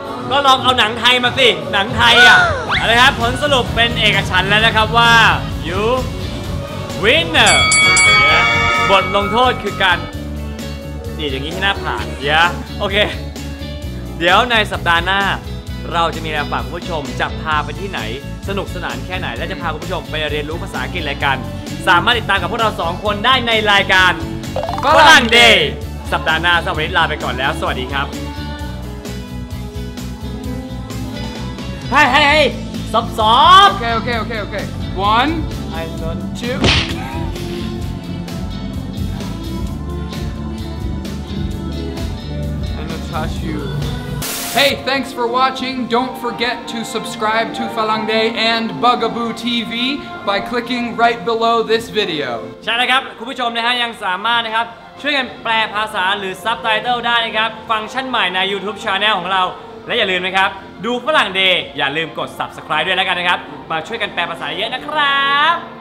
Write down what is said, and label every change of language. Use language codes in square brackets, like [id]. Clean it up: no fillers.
[th] ก็ลองเอาหนังไทยมาสิหนังไทยอ่ะอะไรครับผลสรุปเป็นเอกฉันท์แล้วนะครับว่า [en] you winner [th] บทลงโทษคือการดีอย่างนี้ที่น่าผ่านเยอะโอเคเดี๋ยวในสัปดาห์หน้าเราจะมีอะไรฝากคุณผู้ชมจะพาไปที่ไหนสนุกสนานแค่ไหนและจะพาคุณผู้ชมไปเรียนรู้ภาษาอังกฤษอะไรกันสามารถติดตามกับพวกเราสองคนได้ในรายการ ฝรั่งเดย์สัปดาห์หน้าสวัสดีลาไปก่อนแล้วสวัสดีครับเฮ้ยๆซอฟๆ โอเคโอเคโอเคโอเค1 [en] I learn 2 And Natasha youHey, thanks for watching. Don't forget to subscribe to Falang Day and Bugaboo TV by clicking right below this video. [th] ใช่นะครับคุณผู้ชมนะฮะยังสามารถนะครับช่วยกันแปลภาษาหรือซับไตเติลได้นะครับฟังก์ชันใหม่ใน YouTube Channel ของเราและอย่าลืมนะครับดูฝรั่งเดย์อย่าลืมกด Subscribe ด้วยแล้วกันนะครับมาช่วยกันแปลภาษาเยอะนะครับ